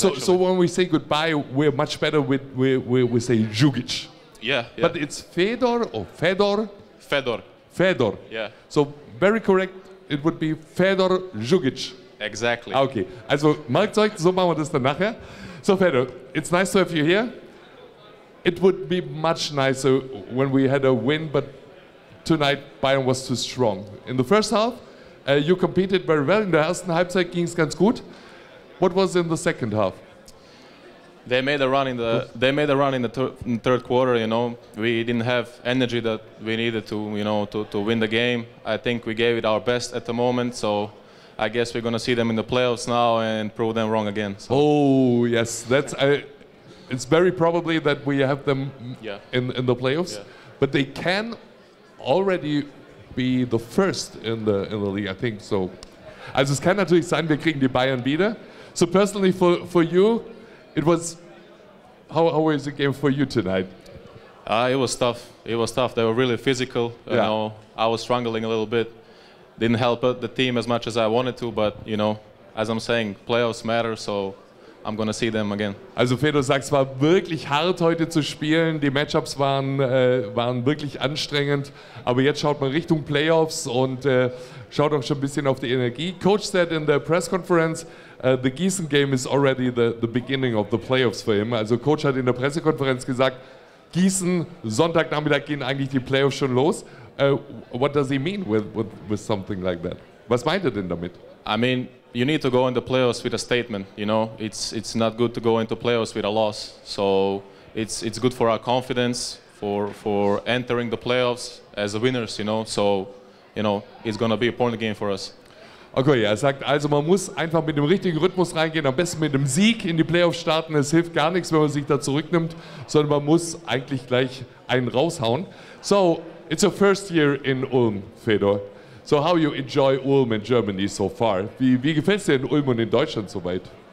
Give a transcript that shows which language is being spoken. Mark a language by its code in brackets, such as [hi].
[en] So when we say goodbye, we're much better with we say Zugic. Yeah. But it's Fedor or Fedor? Fedor. Fedor. Yeah. So very correct, it would be Fedor Zugic. Exactly. Okay. [de] Also Marktzeug, so machen wir das dann nachher. [en] So Fedor, it's nice to have you here. It would be much nicer when we had a win, but tonight Bayern was too strong. In the first half, you competed very well. In the [de] ersten Halbzeit ging es ganz gut. [en] What was in the second half? They made a run in the third quarter. You know, we didn't have energy that we needed to win the game. I think we gave it our best at the moment. So I guess we're gonna see them in the playoffs now and prove them wrong again. So. Oh yes, it's very probably that we have them in the playoffs, but they can already be the first in the league, I think. [de] So, also es kann natürlich sein, wir kriegen die Bayern wieder. [en] So personally for you, it was how was the game for you tonight? It was tough. It was tough. They were really physical. You know, I was struggling a little bit. Didn't help the team as much as I wanted to, but you know, as I'm saying, playoffs matter. So. I'm gonna see them again. [de] Also Fedor sagt, es war wirklich hart heute zu spielen. Die Matchups waren wirklich anstrengend. Aber jetzt schaut man Richtung Playoffs und schaut auch schon ein bisschen auf die Energie. [en] Coach said in the press conference, the Gießen game is already the beginning of the playoffs for him. [de] Also Coach hat in der Pressekonferenz gesagt, Gießen, Sonntagnachmittag gehen eigentlich die Playoffs schon los. [en] What does he mean with something like that? [de] Was meint er denn damit? [en] I mean, you need to go in the playoffs with a statement, you know. It's not good to go into playoffs with a loss. So it's good for our confidence, for entering the playoffs as the winners, you know. So, you know, it's going to be a point game for us. [de] Okay, er sagt, also man muss einfach mit dem richtigen Rhythmus reingehen, am besten mit dem Sieg in die Playoffs starten. Es hilft gar nichts, wenn man sich da zurücknimmt, sondern man muss eigentlich gleich einen raushauen. [en] So, it's your first year in Ulm, Fedor. So how you enjoy Ulm and Germany so far? [de] Wie gefällt's dir in Ulm und in Deutschland soweit?